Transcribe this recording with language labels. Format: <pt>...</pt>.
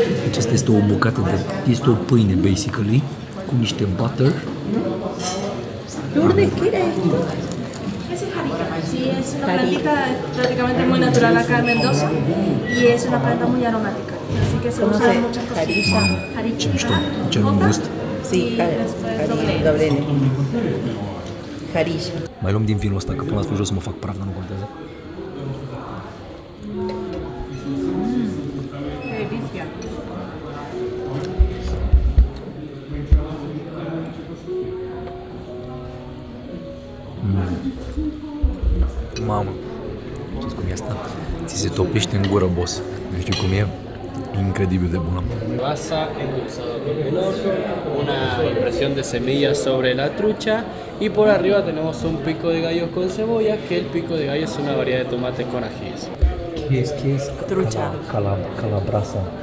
<ro>Aceasta este o bucată de... Este o pâine,</ro> <en>basically,</en> <ro>cu niște butter.</ro> <es>Lourdes, ¿qué era esto? Sí, es una plantita prácticamente muy natural acá en Mendoza y es una planta muy aromática, así que se usa en muchas cosas. Jarilla, jarilla, jarilla, jarilla, sí, jarilla, jarilla.</es> <ro>Mai luăm din vinul ăsta, că până la sfârșit o să mă fac praf, dar nu contează. Mm.</ro> <es>Delicia.</es> <ro>Mm. Mamă, știți cum e asta? Ți se topește în gură, boss. Nu știu cum e? Incredibil de bună.</ro> <es>Masa endulzada con pinocho, una impresión de semillas sobre la trucha y por arriba tenemos un pico de gallos con cebolla, que el pico de gallo es una variedad de tomate con ajíes. ¿Qué es? Trucha. Calabaza.</es>